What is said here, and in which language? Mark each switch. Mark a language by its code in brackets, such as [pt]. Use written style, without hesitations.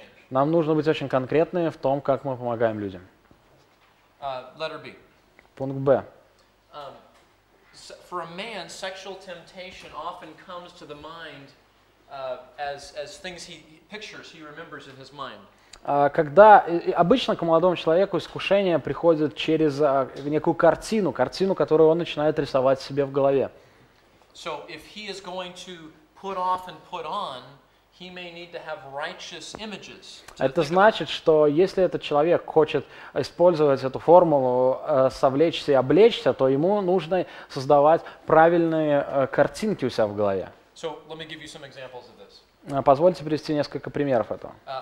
[ru] Нам нужно быть очень конкретными в том, как мы помогаем людям. Пункт Б. [en] For a man, sexual temptation often comes to the mind as things he pictures, he remembers in his mind. [ru] Когда обычно к молодому человеку искушение приходит через некую картину, которую он начинает рисовать себе в голове. [en] So if he is going to put off and put on, he may need to have righteous images. [ru] Это значит, что если этот человек хочет использовать эту формулу, совлечься и облечься, то ему нужно создавать правильные картинки у себя в голове. [en] So let me give you some examples of this. [ru] Позвольте привести несколько примеров этого.